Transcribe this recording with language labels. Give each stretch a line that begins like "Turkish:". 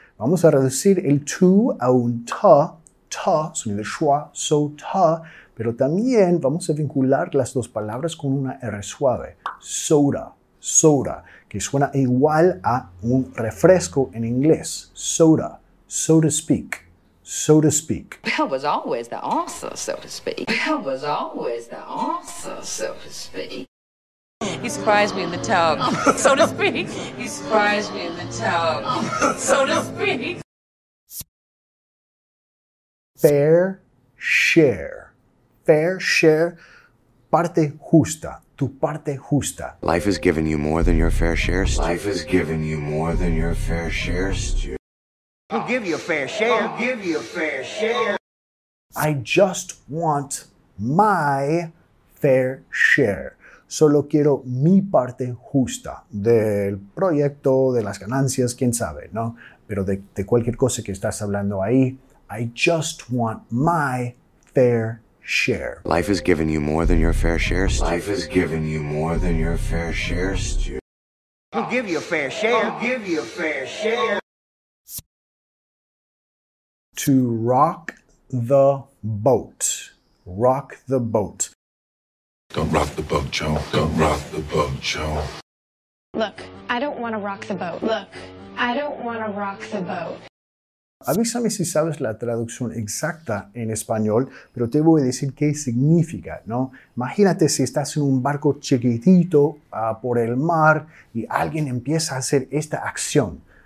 Spanish: Vamos a reducir el to a un ta. Ta, sonido de schwa, so ta, pero también vamos a vincular las dos palabras con una R suave. Soda, soda, que suena igual a un refresco en inglés.
English: Soda, so to speak. So to speak. Bill was always the answer, so to speak. Bill was always the answer, so to speak. He spies me in the tub, so to speak. He spies me in the tub, so to speak. Fair share. Fair share.
Spanish: Parte justa. Tu parte justa.
English: Life has given you more than your fair share, Stu. Life has given you more than your fair share, Stu. I'll give you a fair share. I'll give you a fair share. I just want my fair share.
Spanish: Solo quiero mi parte justa del proyecto, de las ganancias, quién sabe, ¿no? Pero de cualquier cosa que estás hablando ahí.
English: I just want my fair share. Life has given you more than your fair share, Stu. Life has given you more than your fair share, Stu. I'll give you a fair share. I'll give you a fair share. To rock the boat. Rock the boat. Don't rock the boat, Joe. Don't rock the boat, Joe. Look, I don't want to rock the boat. Look, I don't want to rock the boat.
Spanish: Avísame si sabes la traducción exacta en español, pero te voy a decir qué significa, ¿no? Imagínate si estás en un barco chiquitito por el mar y alguien empieza a hacer esta acción.